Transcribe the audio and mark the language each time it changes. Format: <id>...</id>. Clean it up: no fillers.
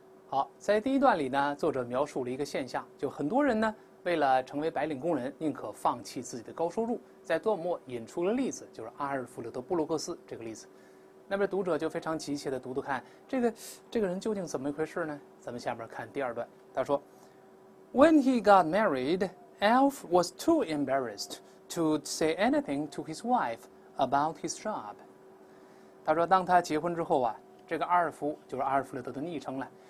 <zh>好，在第一段里呢，作者描述了一个现象，就很多人呢，为了成为白领工人，宁可放弃自己的高收入。在段末引出了例子，就是阿尔弗雷德·布鲁克斯这个例子。那么读者就非常急切地读读看，这个人究竟怎么一回事呢？咱们下面看第二段，他说：“</zh> <en>When he got married, Alf was too embarrassed to say anything to his wife about his job。”</en> <zh>他说，当他结婚之后啊，这个阿尔夫就是阿尔弗雷德的昵称了。</zh>